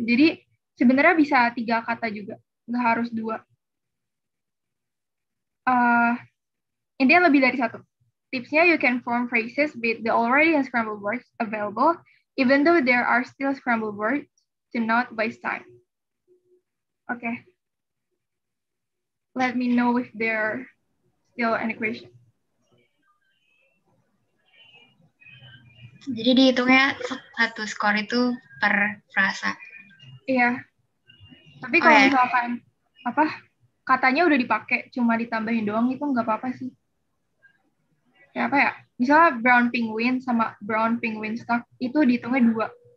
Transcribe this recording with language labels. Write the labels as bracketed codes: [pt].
[id] Jadi, sebenarnya bisa tiga kata juga, nggak harus dua. Intinya lebih dari satu. Tipsnya, [en] you can form phrases with the already unscrambled words available, even though there are still scrambled words to not waste time. Okay. Let me know if there are still any questions. [id] Jadi dihitungnya satu skor itu per frasa. Iya. Tapi kalau misalkan apa katanya udah dipakai, cuma ditambahin doang itu nggak apa-apa sih. Ya apa ya? Misalnya brown penguin sama brown penguin stock itu dihitungnya dua.